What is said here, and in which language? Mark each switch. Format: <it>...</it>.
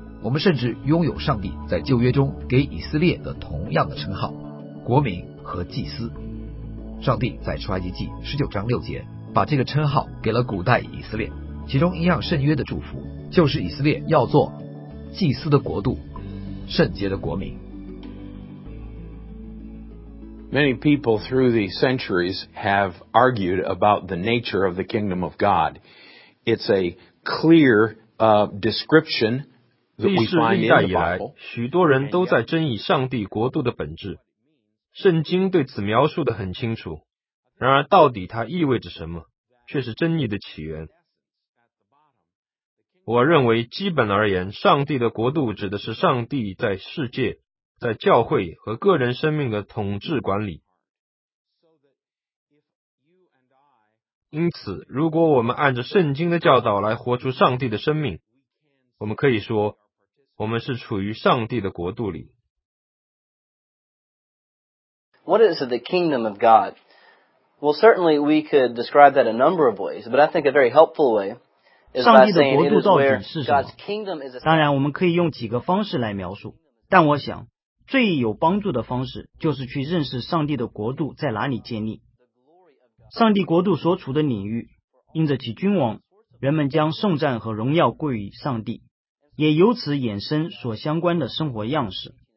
<zh>我们甚至拥有上帝在旧约中给以色列的同样的称号，国民和祭司。上帝在出埃及记19章6节把这个称号给了古代以色列，其中一样圣约的祝福就是以色列要做祭司的国度，圣洁的国民。</zh> <en>Many people through the centuries have argued about the nature of the kingdom of God. It's a clear description that we find in the Bible.</en> <zh>许多人都在争议上帝国度的本质。圣经对此描述得很清楚，然而到底它意味着什么，却是争议的起源。我认为基本而言，上帝的国度指的是上帝在世界、在教会和个人生命的统治管理。因此，如果我们按着圣经的教导来活出上帝的生命，我们可以说，我们是处于上帝的国度里。</zh> <en>What is the kingdom of God? Well, certainly we could describe that a number of ways, but I think a very helpful way</en> <zh>上帝的国度到底是什么？当然我们可以用几个方式来描述，但我想最有帮助的方式就是去认识上帝的国度在哪里建立。上帝国度所处的领域，因着其君王，人们将颂赞和荣耀归于上帝，也由此衍生所相关的生活样式。</zh>